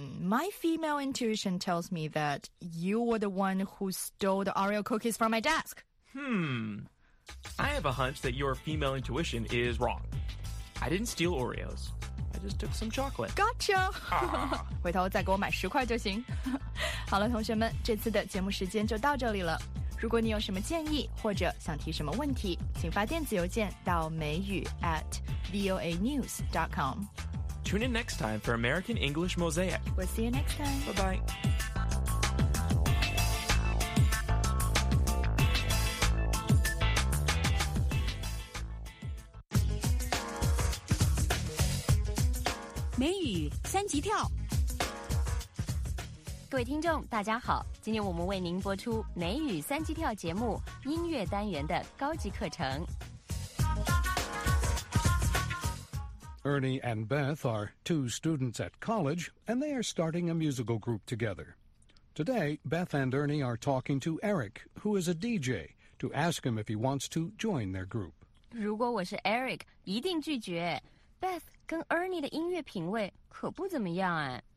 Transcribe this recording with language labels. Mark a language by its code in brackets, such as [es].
[en] My female intuition tells me that you were the one who stole the Oreo cookies from my desk. I have a hunch that your female intuition is wrong. I didn't steal Oreos. I just took some chocolate. Gotcha! [zh] 回头再给我买十块就行。好了，同学们，这次的节目时间就到这里了。如果你有什么建议或者想提什么问题，请发电子邮件到美语@voanews.com. [en] Tune in next time for American English Mosaic. We'll see you next time. Bye-bye. [zh] 美语三级跳。各位听众大家好，今天我们为您播出美语三级跳节目音乐单元的高级课程。 [en] Ernie and Beth are two students at college, and they are starting a musical group together. Today, Beth and Ernie are talking to Eric, who is a DJ, to ask him if he wants to join their group. [zh] 如果我是 Eric, 一定拒绝。Beth 跟 Ernie 的音乐品味可不怎么样啊。